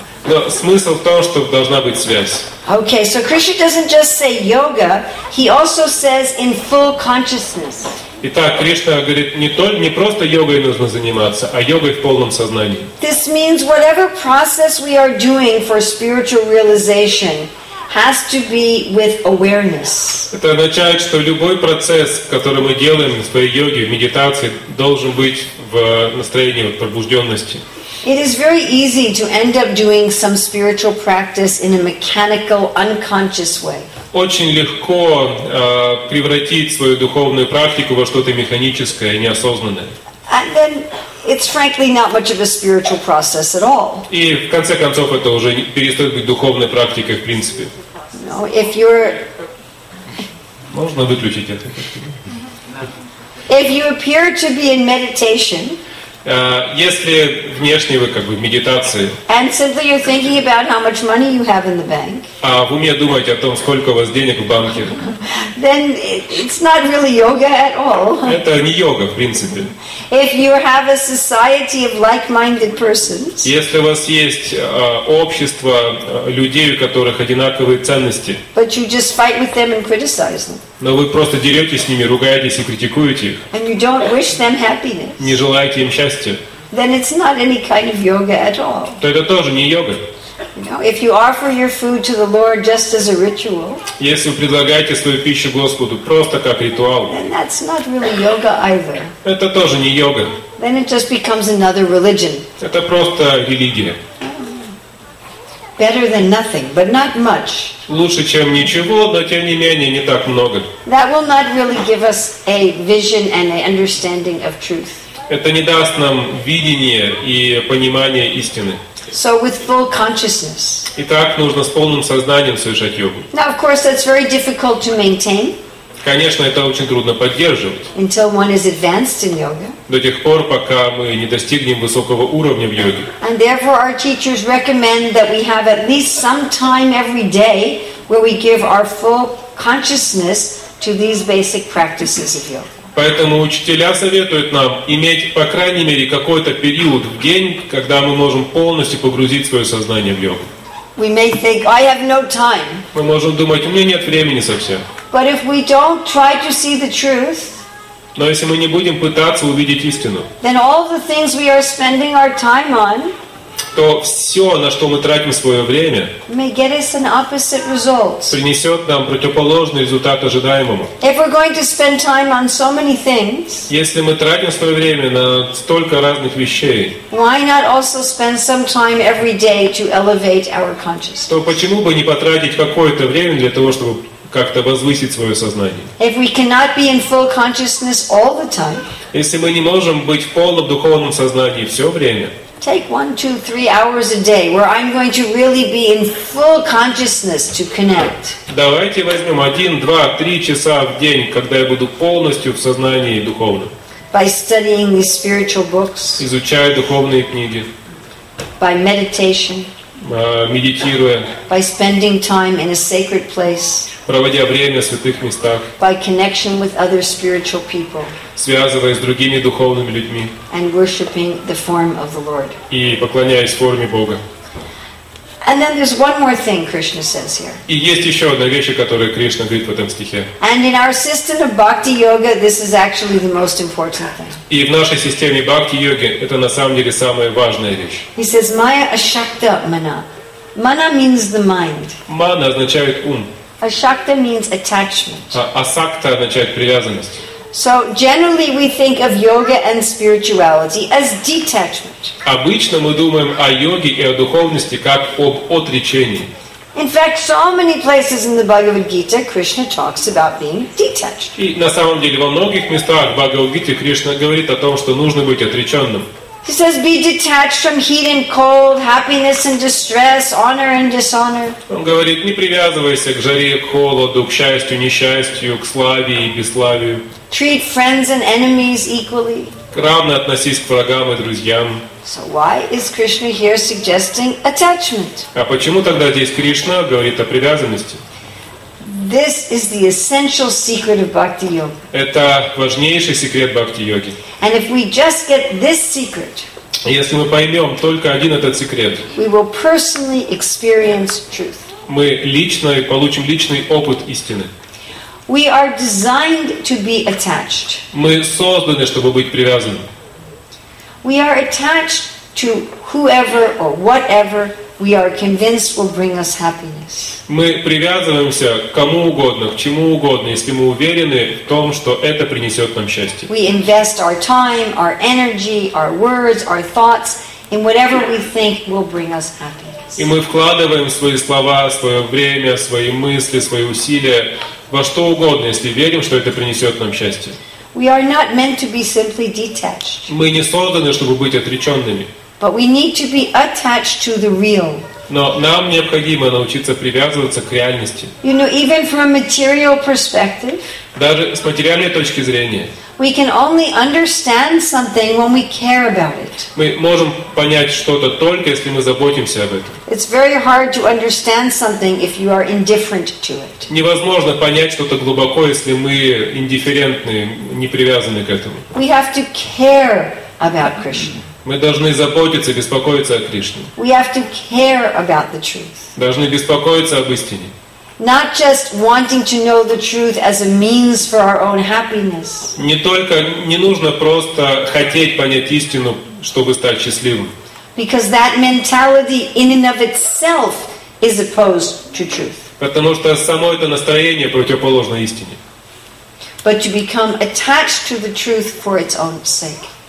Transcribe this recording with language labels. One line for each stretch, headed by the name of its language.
Russian: Но смысл в том, что должна быть связь.
English: Okay, so Krishna doesn't just say yoga, he also says in full consciousness.
Russian: Итак, Кришна говорит, не просто йогой нужно заниматься, а йогой в полном сознании.
English: This means whatever process we are doing for spiritual realization has to be with awareness.
Russian: Это означает, что любой процесс, который мы делаем в своей йоге, в медитации, должен быть в настроении пробужденности.
English: It is very easy to end up doing some spiritual practice in a mechanical, unconscious way.
Russian: Очень легко превратить свою духовную практику во что-то механическое, неосознанное.
English: And then it's frankly not much of a spiritual process at all.
Russian: И в конце концов это уже перестает быть духовной практикой в принципе.
English: No, if you're.
Russian: Можно выключить это.
English: If you appear to be in meditation.
Russian: Если внешне вы как бы в медитации.
English: And simply you're thinking about how much money you have in the bank.
Russian: А в уме думаете о том, сколько у вас денег в банке.
English: Then it's not really yoga at all.
Russian: Это не йога, в принципе.
English: If you have a society of like-minded persons.
Russian: Если у вас есть общество людей, у которых одинаковые ценности.
English: But you just fight with them and criticize them.
Russian: Но вы просто деретесь с ними, ругаетесь и критикуете их.
English: And you don't wish them happiness.
Russian: Не желаете им счастья.
English: Then it's not any kind of yoga at all.
Russian: То это тоже не йога.
English: No, if you offer your food to the Lord just as a ritual.
Russian: Если вы предлагаете свою пищу Господу просто как ритуал.
English: Then that's not really yoga either.
Russian: Это тоже не йога.
English: Then it just becomes another religion.
Russian: Это просто религия.
English: Better than nothing, but not much.
Russian: Лучше чем ничего, но тем не менее не так много.
English: That will not really give us a vision and an understanding of truth.
Russian: Это не даст нам видение и понимание истины.
English: So with full consciousness.
Russian: Итак, нужно с полным сознанием совершать йогу.
English: Now, of course, that's very difficult to maintain.
Russian: Конечно, это очень трудно поддерживать.
English: Until one is advanced in yoga.
Russian: До тех пор, пока мы не достигнем высокого уровня в йоге.
English: And therefore, our teachers recommend that we have at least some time every day where we give our full consciousness to these basic practices of yoga.
Russian: Поэтому учителя советуют нам иметь, по крайней мере, какой-то период в день, когда мы можем полностью погрузить свое сознание в йогу.
English: We may think, I have no time.
Russian: Мы можем думать, у меня нет времени совсем.
English: But if we don't try to see the truth,
Russian: но если мы не будем пытаться увидеть истину,
English: then all the things we are spending our time on,
Russian: то все, на что мы тратим свое время,
English: may get us an opposite result.
Russian: Принесет нам противоположный результат ожидаемому.
English: If we're going to spend time on so many things,
Russian: если мы тратим свое время на столько разных вещей,
English: why not also spend some time every day to elevate our consciousness?
Russian: То почему бы не потратить какое-то время для того, чтобы как-то возвысить свое сознание.
English: If we cannot be in full consciousness all the time,
Russian: если мы не можем быть в полном духовном сознании все время,
English: take 1-2-3 hours a day where I'm going to really be in full consciousness to connect.
Russian: Давайте возьмем 1-2-3 часа в день, когда я буду полностью в сознании духовно.
English: By studying these spiritual books.
Russian: Изучая духовные книги.
English: By meditation.
Russian: Медитируя.
English: By spending time in a sacred place.
Russian: Проводя время в святых местах.
English: By connection with other spiritual people.
Russian: Связываясь с другими духовными людьми.
English: And worshiping the form of the Lord.
Russian: И поклоняясь форме Бога.
English: And then there's one more thing Krishna says here.
Russian: И есть еще одна вещь, которую Кришна говорит в этом стихе.
English: And in our system of bhakti yoga, this is actually the most important thing.
Russian: И в нашей системе бхакти йоги это на самом деле самая важная вещь.
English: He says,
Sanskrit: "Maya ashakta mana."
English: Mana means the mind.
Russian: Мана означает ум.
English: Ashakta means attachment.
Russian: Асакта означает привязанность.
English: So generally we think of yoga and spirituality as detachment.
Russian: Обычно мы думаем о йоге и о духовности как об отречении.
English: In fact, so many places in the Bhagavad Gita, Krishna talks about being detached.
Russian: И на самом деле во многих местах в Бхагавад-гите Кришна говорит о том, что нужно быть отреченным.
English: He says, "Be detached from heat and cold, happiness and distress, honor and dishonor."
Russian: Он говорит, не привязывайся к жаре, к холоду, к счастью, несчастью, к славе и бесславию.
English: Treat friends and enemies equally.
Russian: Равно относись к врагам и друзьям.
English: So why is Krishna here suggesting attachment?
Russian: А почему тогда здесь Кришна говорит о привязанности?
English: This is the essential secret of bhakti yoga.
Russian: Это важнейший секрет бхакти йоги.
English: And if we just get this secret,
Russian: если мы поймем только один этот секрет,
English: we will personally experience truth.
Russian: Мы лично получим личный опыт истины.
English: We are designed to be attached.
Russian: Мы созданы, чтобы быть привязанными.
English: We are attached to whoever or whatever we are convinced will bring us happiness.
Russian: Мы привязываемся к кому угодно, к чему угодно, если мы уверены в том, что это принесет нам счастье.
English: We invest our time, our energy, our words, our thoughts in whatever we think will bring us happiness.
Russian: И мы вкладываем свои слова, свое время, свои мысли, свои усилия во что угодно, если верим, что это принесет нам счастье.
English: We are not meant to be simply detached.
Russian: Мы не созданы, чтобы быть отреченными.
English: But we need to be attached to the real.
Russian: Но нам необходимо научиться привязываться к реальности.
English: You know, even from a material perspective,
Russian: даже с материальной точки зрения,
English: we can only understand something when we care about it.
Russian: Мы можем понять что-то только, если мы заботимся об этом.
English: It's very hard to understand something if you are indifferent to it.
Russian: Невозможно понять что-то глубоко, если мы индифферентны, не привязаны к этому.
English: We have to care about Krishna.
Russian: Мы должны заботиться, беспокоиться о Кришне.
English: We have to care about the truth.
Russian: Должны беспокоиться об истине.
English: Not just wanting to know the truth as a means for our own happiness.
Russian: Не только, не нужно просто хотеть понять истину, чтобы стать счастливым.
English: Because that mentality in and of itself is opposed to truth.
Russian: Потому что само это настроение противоположно истине.
English: But to become attached to the truth for its own sake.